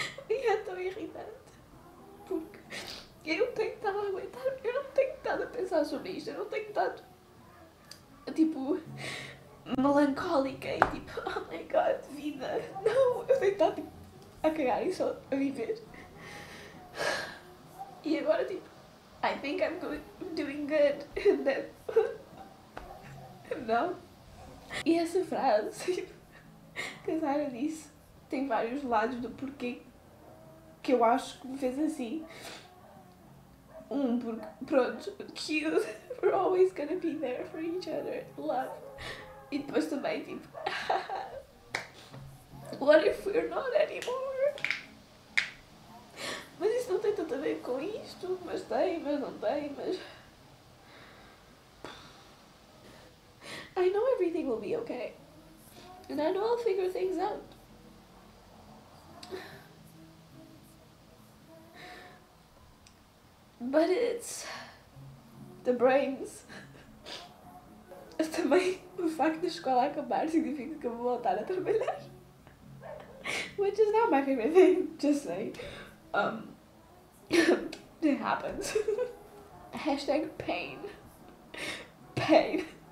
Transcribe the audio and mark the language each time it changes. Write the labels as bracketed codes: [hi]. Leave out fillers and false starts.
[pt] E é tão irritante, porque... Eu tenho estado a aguentar, eu não tenho estado a pensar sobre isto, eu não tenho estado, tipo, melancólica e tipo, [en] oh my god, [pt] vida. Não, eu tenho estado tipo, a cagar e só a viver. E agora, tipo, [en] I think I'm doing good. And then, [pt] não. E essa frase, tipo, que a Sara disse, tem vários lados do porquê que eu acho que me fez assim. Porque, pronto, cute, [en] we're always gonna be there for each other, love. [pt] E depois também, tipo, [en] what if we're not anymore? [pt] Mas isso não tem tanto a ver com isto, mas tem, mas não tem, mas... [en] I know everything will be okay. And I know I'll figure things out. But it's... the brains. [pt] Mas também o facto da escola acabar significa que eu vou voltar a trabalhar. [en] Which is not my favorite thing, just say. It happens. Hashtag pain. Pain.